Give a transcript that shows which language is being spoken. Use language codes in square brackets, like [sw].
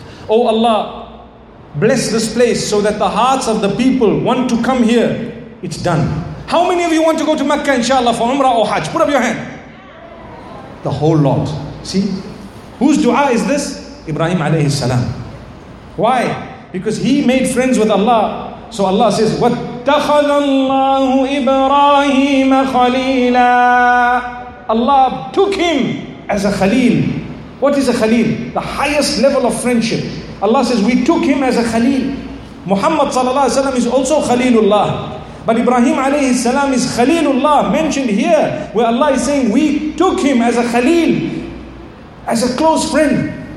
[en] Oh Allah, bless this place so that the hearts of the people want to come here. It's done. How many of you want to go to Mecca, inshallah, for Umrah or Hajj? Put up your hand. The whole lot. See? Whose dua is this? Ibrahim alayhi salam. Why? Because he made friends with Allah. So Allah says, [ar] وَاتَّخَذَ اللَّهُ إِبْرَاهِيمَ خَلِيلًا. [en] Allah took him as a khalil. What is a khalil? The highest level of friendship. Allah says, we took him as a khalil. Muhammad sallallahu alayhi wasallam is also khalilullah. But Ibrahim alayhi salam is khalilullah, mentioned here, where Allah is saying, we took him as a khalil, as a close friend.